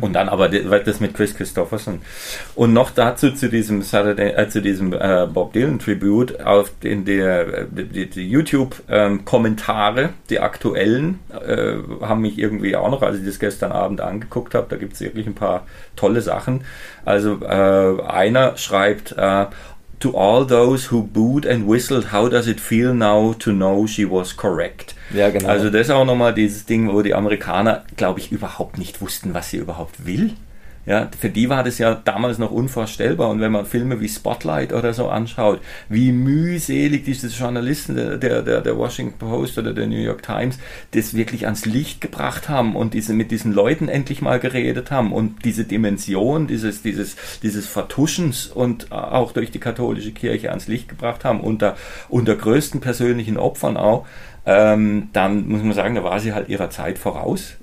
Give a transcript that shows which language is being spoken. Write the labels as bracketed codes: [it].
[de] Und dann aber das mit Kris Kristofferson. Und noch dazu zu diesem Bob Dylan Tribute auf in der die YouTube Kommentare, die aktuellen, haben mich irgendwie auch noch, als ich das gestern Abend angeguckt habe, da gibt es wirklich ein paar tolle Sachen. Also einer schreibt, [en] to all those who booed and whistled, how does it feel now to know she was correct? [de] Ja, genau. Also das ist auch nochmal dieses Ding, wo die Amerikaner, glaube ich, überhaupt nicht wussten, was sie überhaupt will. Ja, für die war das ja damals noch unvorstellbar. Und wenn man Filme wie Spotlight oder so anschaut, wie mühselig diese Journalisten der Washington Post oder der New York Times das wirklich ans Licht gebracht haben und diese mit diesen Leuten endlich mal geredet haben und diese Dimension dieses Vertuschens und auch durch die katholische Kirche ans Licht gebracht haben unter größten persönlichen Opfern auch, dann muss man sagen, da war sie halt ihrer Zeit voraus.